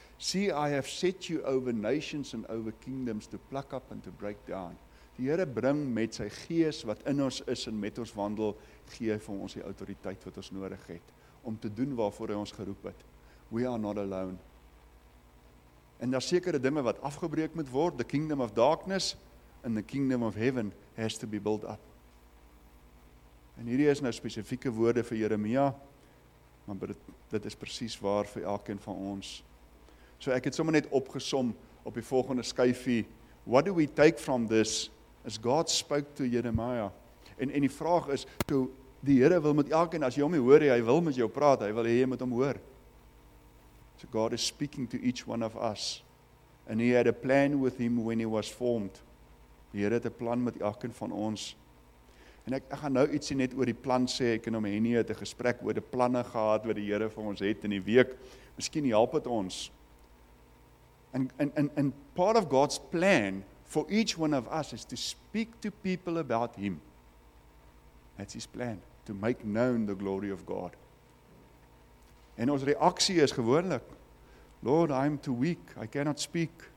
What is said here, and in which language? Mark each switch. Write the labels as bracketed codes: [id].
[en] See, I have set you over nations and over kingdoms to pluck up and to break down. [af] Die Here bring met sy Gees wat in ons is en met ons wandel, gee hy vir ons die autoriteit wat ons nodig het om te doen waarvoor hy ons geroep het. [en] We are not alone. [af] En daar sekere dinge wat afgebreek moet word, [en] the kingdom of darkness and the kingdom of heaven has to be built up. [af] En hierdie is nou spesifieke woorde vir Jeremia, maar dit is presies waar vir elkeen van ons. So ek het sommer net opgesom op die volgende skyfie. [en] What do we take from this? As God spoke to Jeremiah. [af] En die vraag is, so die Here wil met elkeen, as jy hom hoor, hy wil met jou praat, hy wil hê jy moet hom hoor. [en] So God is speaking to each one of us. And he had a plan with him when he was formed. [af] Die Here het 'n plan met elkeen van ons. En ek gaan nou ietsie net oor die plan sê. Ek en hom Henie het 'n gesprek oor die planne gehad wat die Here vir ons het in die week. Miskien help dit ons. [en] And part of God's plan for each one of us is to speak to people about him. That's his plan, to make known the glory of God. [af] En ons reaksie is gewoonlik, [en] Lord, I am too weak, I cannot speak.